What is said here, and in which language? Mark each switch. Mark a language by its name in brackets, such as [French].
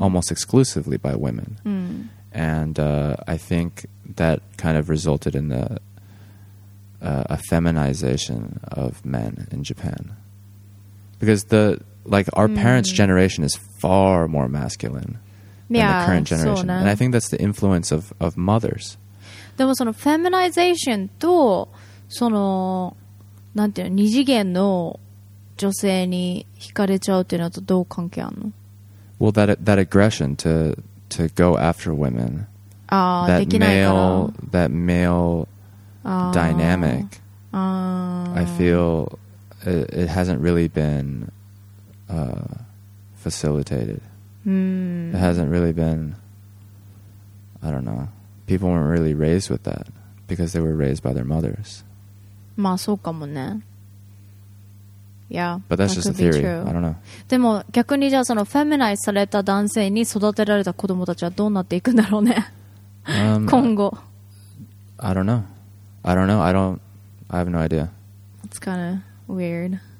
[English] almost exclusively by women. Mm. And I think that kind of resulted in the a feminization of men in Japan. Because the like our mm. parents' generation is far more masculine than yeah, the current generation. So and I think that's the influence of mothers. [Japanese] でもそのフェミナイゼーションとそのなんていうの二次元の女性に惹かれちゃうっていうのとどう関係あるの? [English] Well, that aggression to go after women. [Japanese] ああ、できないから。 [English] That male dynamic. I feel it hasn't really been facilitated. Mm. It hasn't really been, I don't know, people weren't really raised with that because they were raised by their mothers. [Japanese] まあそうかもね。Yeah. [English] But that's just a theory. I don't know. [Japanese] でも逆にじゃあそのフェミナイズされた男性に育てられた子供たちはどうなっていくんだろうね。今後。 [English] I don't know. I don't know. I have no idea. It's kind of weird.